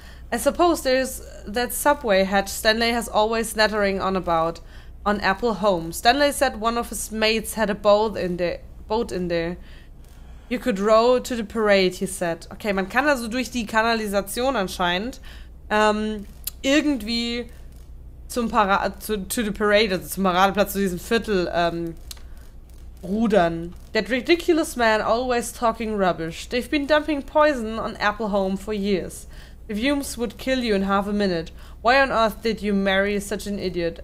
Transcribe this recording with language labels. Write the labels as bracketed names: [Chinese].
[English] I suppose there's that subway hatch Stanley has always nattering on about on Apple Home. Stanley said one of his mates had a boat in there. You could row to the parade, he said. [German] Okay, man kann also durch die Kanalisation anscheinend irgendwie zum Parade, also zum Paradeplatz, zu diesem Viertel rudern. [English] That ridiculous man always talking rubbish. They've been dumping poison on Apple Home for years. The fumes would kill you in half a minute. Why on earth did you marry such an idiot?